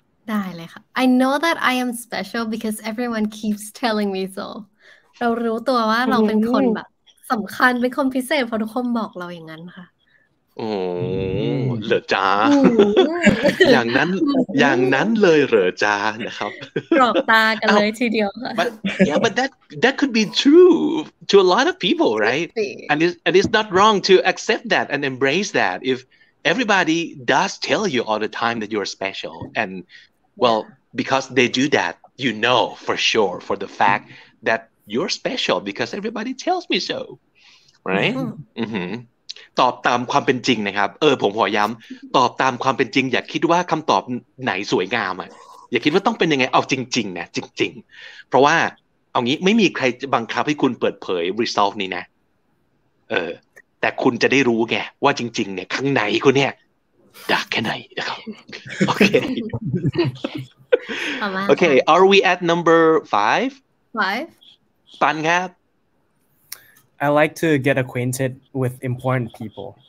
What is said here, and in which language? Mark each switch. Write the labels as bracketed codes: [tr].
[th] ได้เลยค่ะ [en] I know that I am special because everyone keeps telling me so [th] เรารู้ตัวว่าเราเป็นคนแบบสำคัญเป็นคนพิเศษเพราะทุกคนบอกเราอย่างนั้นค่ะ โอ้เหรอจ้าอย่างนั้นอย่างนั้นเลยเหรอจ้านะครับ หลอกตากันเลยทีเดียวค่ะ [en] but that could be true to a lot of people right and it's not wrong to accept that and embrace that if everybody does tell you all the time that you're special and well because they do that you know for sure for the fact thatYou're special because everybody tells me so, right? [th] ตอบตามความเป็นจริงนะครับผมขอย้ำตอบตามความเป็นจริงอย่าคิดว่าคำตอบไหนสวยงามอ่ะอย่าคิดว่าต้องเป็นยังไงเอาจริงๆนะจริงๆเพราะว่าเอางี้ไม่มีใครบังคับให้คุณเปิดเผย resolve นี้นะแต่คุณจะได้รู้ไงว่าจริงๆเนี่ยข้างในคุณเนี่ยดักแค่ไหนนะครับโอเคโอเค [en] are we at number 5 [th] ปันครับ [en] I like to get acquainted with important people